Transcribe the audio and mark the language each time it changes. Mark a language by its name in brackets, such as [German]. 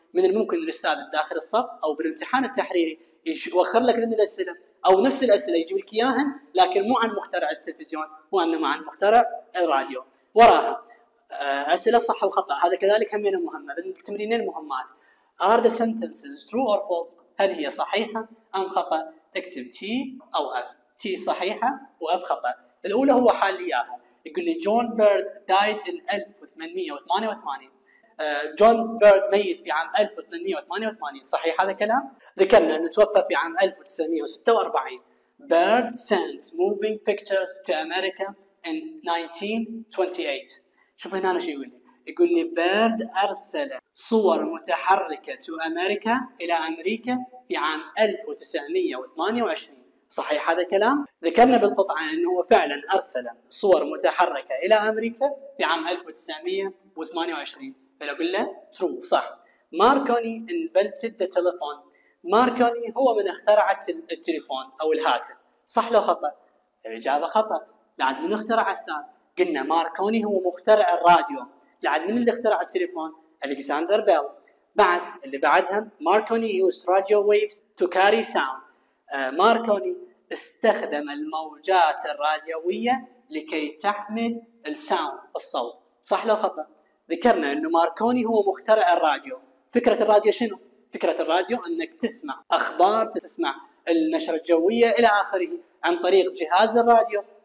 [Arabic] من الممكن الأستاذ بداخل الصف أو بالامتحان التحريري يوخر لك من الأسئلة أو نفس الأسئلة يجيب لك إياهن، لكن مو عن مخترع التلفزيون، هو إنما عن مخترع الراديو. وراها أسئلة صح وخطأ، هذا كذلك همينة مهمة التمرينين المهمات. [English] Are the sentences true or false؟ [Arabic] هل هي صحيحة أم خطأ؟ تكتب T أو F. T صحيحة و F خطأ. الأولى هو حال إياها، يقول لي جون بيرد [English] died in 1888. [Arabic] جون بيرد ميت في عام 1888، صحيح هذا كلام؟ ذكرنا أنه توفى في عام 1946. [English] Bird sends moving pictures to America in 1928. [Arabic] شوف هنا شو يقول لي. يقول لي Bird أرسل صور متحركة [English] to America [Arabic] إلى أمريكا في عام 1928. صحيح هذا كلام؟ ذكرنا بالقطعة أنه هو فعلا أرسل صور متحركة إلى أمريكا في عام 1928. فلو قلنا True صح. [English] Marconi invented the telephone. [Arabic] ماركوني هو من اخترع التليفون أو الهاتف. صح لو خطأ؟ الإجابة خطأ. لعد من اخترع أستاذ؟ قلنا ماركوني هو مخترع الراديو. لعد من اللي اخترع التليفون؟ ألكسندر بيل. بعد اللي بعدها [English] Marconi used radio waves to carry sound. [Arabic] ماركوني استخدم الموجات الراديوية لكي تحمل الساوند الصوت. صح لو خطأ؟ ذكرنا أنه ماركوني هو مخترع الراديو. فكرة الراديو شنو؟ فكرة الراديو أنك تسمع أخبار، تسمع النشرة الجوية إلى آخره عن طريق جهاز الراديو.